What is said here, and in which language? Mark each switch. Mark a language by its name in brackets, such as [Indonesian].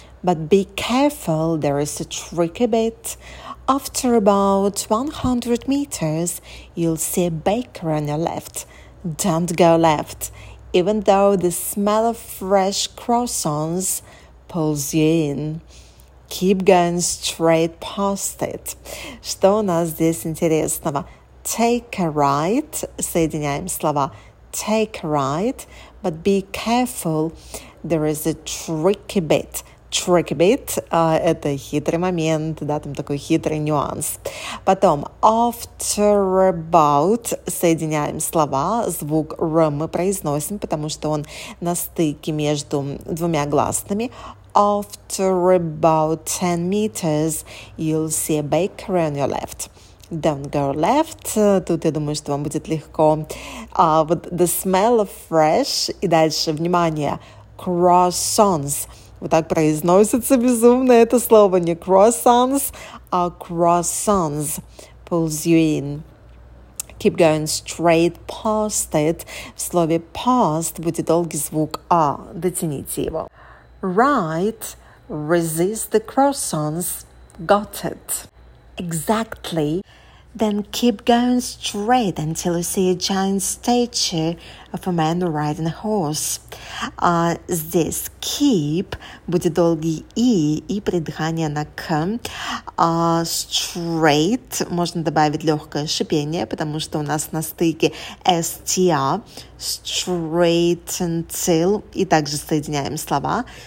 [English] But be careful, there is a tricky bit. After about 100 meters, you'll see a baker on your left. Don't go left. Even though the smell of fresh croissants pulls you in. Keep going straight past it. [Russian] Что у нас здесь интересного? [English] Take a right. [Russian] Соединяем слова. [English] Take a right, but be careful, there is a tricky bit. tricky bit, [Russian] это хитрый момент, да, там такой хитрый нюанс. Потом [English] after about [Russian] соединяем слова, звук r мы произносим, потому что он на стыке между двумя гласными. [English] After about 10 meters, you'll see a bakery on your left. Don't go left. [Russian] Тут, я думаю, что вам будет легко. Вот [English] the smell of fresh. [Russian] И дальше, внимание, croissants. Вот так произносится безумно это слово. [English] Не croissants, а croissants. Pulls you in. Keep going straight past it. [Russian] В слове past будет долгий звук А. Дотяните его. [English] Right, resist the croissants. Got it. Exactly. Then keep going straight until you see a giant statue of a man riding a horse. [Russian] Здесь keep будет долгий и придыхание на к. Straight можно добавить легкое шипение, потому что у нас на стыке str. [English] Straight until, [Russian] и также соединяем слова.